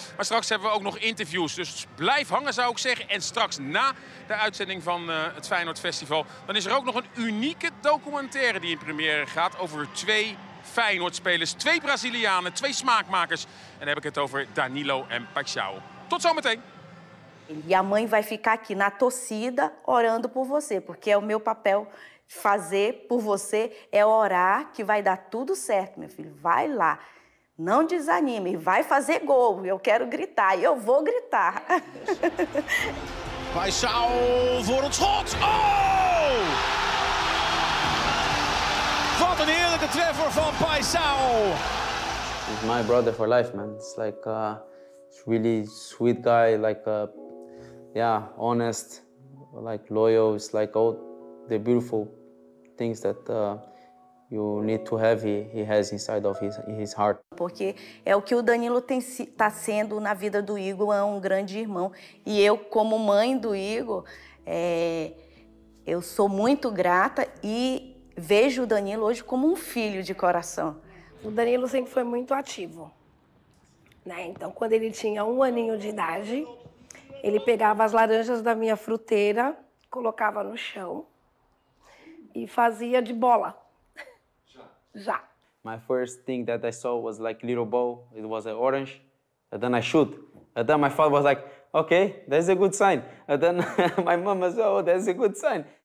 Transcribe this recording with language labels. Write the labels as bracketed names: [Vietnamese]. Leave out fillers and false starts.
[Dutch] Maar straks hebben we ook nog interviews. Dus blijf hangen zou ik zeggen. En straks na de uitzending van het Feyenoord Festival. Dan is er ook nog een unieke documentaire die in première gaat over twee Feyenoordspelers, twee Brazilianen, twee smaakmakers. En dan heb ik het over Danilo en Paixão. Tot zometeen. [Portuguese] E a mãe vai ficar aqui na torcida orando por você, porque é o meu papel fazer por você é orar que vai dar tudo certo, meu filho. Vai lá. Não desanime, vai fazer gol. Eu quero gritar, eu vou gritar. [Dutch] Paixão voor het schot. Oh! Wat een heerlijke treffer van Paixão. [English] He's my brother for life, man. It's like a really sweet guy, like a honest, like loyal. It's like all the beautiful things that you need to have he has inside of his heart. [Portuguese] Porque é o que o Danilo está sendo na vida do Igor, é um grande irmão. E eu, como mãe do Igor, eu sou muito grata e vejo o Danilo hoje como um filho de coração. O Danilo sempre foi muito ativo, né? Então, quando ele tinha um aninho de idade, ele pegava as laranjas da minha fruteira, colocava no chão e fazia de bola. Já. [English] My first thing that I saw was like little ball. It was an orange. And then I shoot. And then my father was like, okay, that's a good sign. And then my mom was like, oh, that's a good sign.